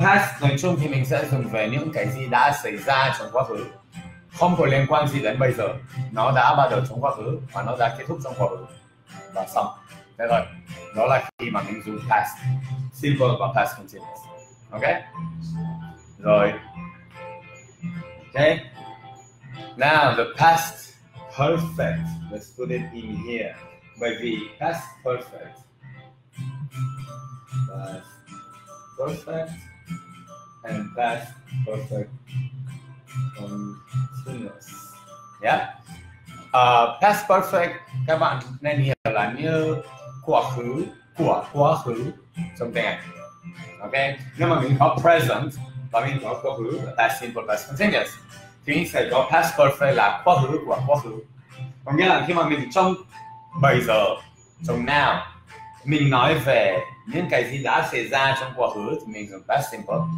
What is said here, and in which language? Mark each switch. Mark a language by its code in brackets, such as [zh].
[vi] Past nói chung thì mình sẽ dùng về những cái gì đã xảy ra trong quá khứ, không có liên quan gì đến bây giờ. Nó đã bắt đầu trong quá khứ và nó đã kết thúc trong quá khứ và xong. Thế rồi, đó là khi mà mình dùng past simple và past continuous. Ok, rồi. [en] Ok, now the past perfect, let's put it in here. [vi] Bởi vì [en] past perfect, past perfect and past perfect continuous. Yeah. [vi] Past perfect các bạn nên hiểu là như quá khứ của quá khứ trong tiếng Anh. Ok, nhưng mà mình có present và mình có quá khứ, past simple, past continuous. Thì mình sẽ có past perfect là quá khứ của quá khứ. Có nghĩa là khi mà mình trong bây giờ, trong now, mình nói về những cái gì đã xảy ra trong quá khứ thì mình dùng past simple.